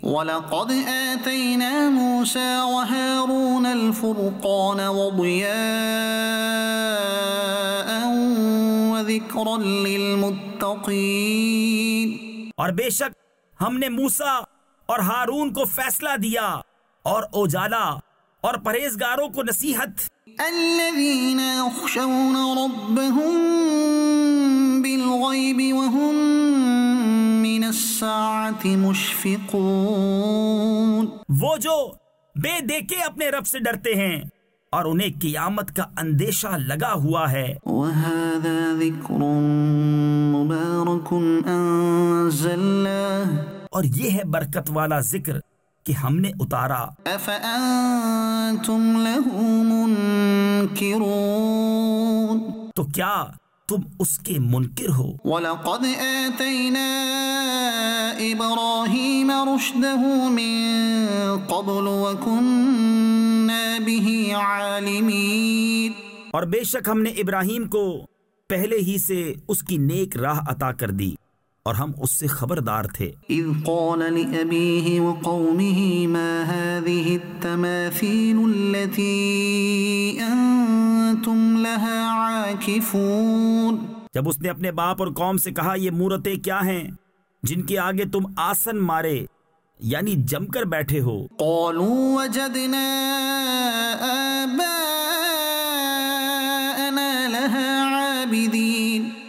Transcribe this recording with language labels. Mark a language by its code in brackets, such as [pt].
[ar] وَلَقَدْ آتَيْنَا مُوسَى وَهَارُونَ الْفُرْقَانَ وَضِيَاءً وَذِكْرًا لِّلْمُتَّقِينَ, [ur] اور بے شک ہم نے موسیٰ اور ہارون کو فیصلہ دیا اور اجالا اور پرہیزگاروں کو نصیحت. [ar] الذين يخشون ربهم بالغيب وهم من الساعة مشفقون, [ur] وہ جو بے دیکھے اپنے رب سے ڈرتے ہیں اور انہیں قیامت کا اندیشہ لگا ہوا ہے. [ar] وهذا ذكر مبارك انزلناه, [ur] اور یہ ہے برکت والا ذکر کہ ہم نے اتارا. [ar] افأنتم له منکرون, [ur] تو کیا تم اس کے منکر ہو. [ar] ولقد آتینا ابراہیم رشدہ من قبل وکنا به عالمین, [ur] اور بے شک ہم نے ابراہیم کو پہلے ہی سے اس کی نیک راہ عطا کر دی اور ہم اس سے خبردار تھے. [ar] اذ قال لأبيه وقومه ما هذه التماثيل التي انتم لها عاكفون, [ur] جب اس نے اپنے باپ اور قوم سے کہا یہ مورتیں کیا ہیں جن کے آگے تم آسن مارے یعنی جم کر بیٹھے ہو. [ar] قالوا وجدنا آباءنا لها عابدين,